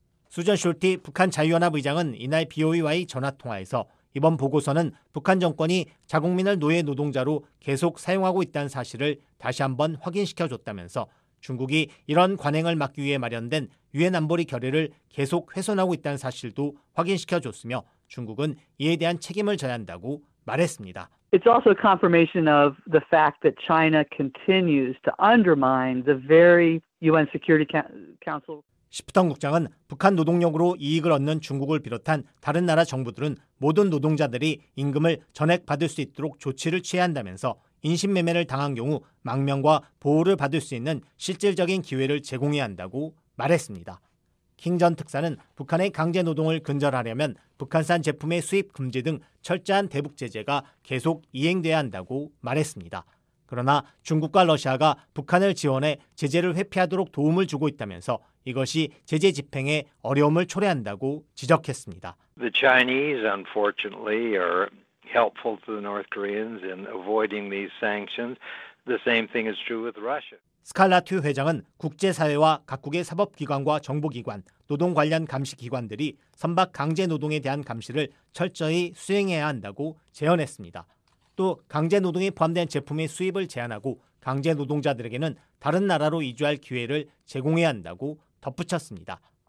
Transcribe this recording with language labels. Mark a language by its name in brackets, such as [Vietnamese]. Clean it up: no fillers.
[Korean] 수전 숄티 북한 자유연합 의장은 이날 BOE와의 전화통화에서 이번 보고서는 북한 정권이 자국민을 노예 노동자로 계속 사용하고 있다는 사실을 다시 한번 확인시켜줬다면서 중국이 이런 관행을 막기 위해 마련된 유엔 안보리 결의를 계속 훼손하고 있다는 사실도 확인시켜줬으며 중국은 이에 대한 책임을 져야 한다고 말했습니다. [English] It's also a confirmation of the fact that China continues to undermine the very UN Security Council. [Korean] 시프턴 국장은 북한 노동력으로 이익을 얻는 중국을 비롯한 다른 나라 정부들은 모든 노동자들이 임금을 전액 받을 수 있도록 조치를 취해야 한다면서 인신매매를 당한 경우 망명과 보호를 받을 수 있는 실질적인 기회를 제공해야 한다고 말했습니다. 킹 전 특사는 북한의 강제 노동을 근절하려면 북한산 제품의 수입 금지 등 철저한 대북 제재가 계속 이행돼야 한다고 말했습니다. 그러나 중국과 러시아가 북한을 지원해 제재를 회피하도록 도움을 주고 있다면서 이것이 제재 집행에 어려움을 초래한다고 지적했습니다. [English] The Chinese unfortunately are helpful to the North Koreans in avoiding these sanctions. The same thing is true with Russia. [Korean] 스칼라투 회장은 국제사회와 각국의 사법기관과 정보기관, 노동 관련 감시기관들이 선박 강제노동에 대한 감시를 철저히 수행해야 한다고 제언했습니다. 또 강제노동에 포함된 제품의 수입을 제한하고 강제노동자들에게는 다른 나라로 이주할 기회를 제공해야 한다고 덧붙였습니다.